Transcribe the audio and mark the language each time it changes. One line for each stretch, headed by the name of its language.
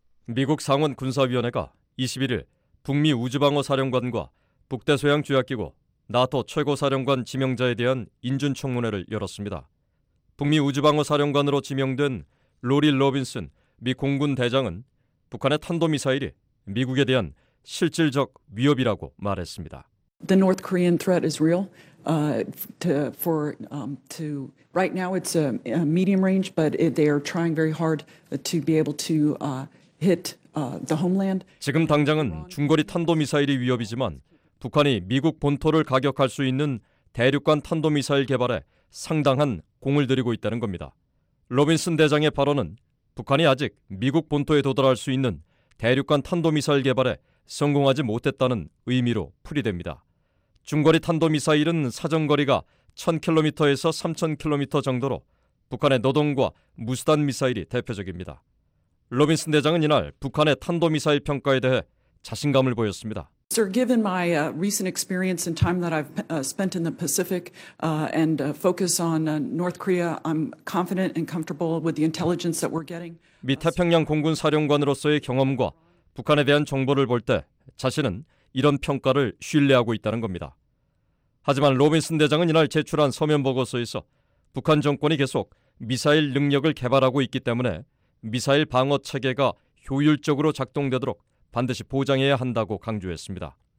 Korean: 미국 상원군사위원회가 21일 북미 우주방어사령관과 북대서양조약기구 나토 최고사령관 지명자에 대한 인준청문회를 열었습니다. 북미 우주방어사령관으로 지명된 로리 로빈슨 미 공군 대장은 북한의 탄도미사일이 미국에 대한 실질적 위협이라고 말했습니다.
English: The North Korean threat is real. To right now it's a medium range, but they are trying very hard to be able to hit the homeland.
Korean: 지금 당장은 중거리 탄도미사일이 위협이지만 북한이 미국 본토를 가격할 수 있는 대륙간 탄도미사일 개발에 상당한 공을 들이고 있다는 겁니다. 로빈슨 대장의 발언은 북한이 아직 미국 본토에 도달할 수 있는 대륙간 탄도미사일 개발에 성공하지 못했다는 의미로 풀이됩니다. 중거리 탄도미사일은 사정거리가 1000km에서 3000km 정도로 북한의 노동과 무수단 미사일이 대표적입니다. 로빈슨 대장은 이날 북한의 탄도미사일 평가에 대해 자신감을 보였습니다.
English: Sir, given my recent experience and time that I've spent in the Pacific and focus on North Korea, I'm confident and comfortable with the intelligence that we're getting.
Korean: 미 태평양 공군 사령관으로서의 경험과 북한에 대한 정보를 볼 때 자신은 이런 평가를 신뢰하고 있다는 겁니다. 하지만 로빈슨 대장은 이날 제출한 서면 보고서에서 북한 정권이 계속 미사일 능력을 개발하고 있기 때문에 미사일 방어 체계가 효율적으로 작동되도록 반드시 보장해야 한다고 강조했습니다.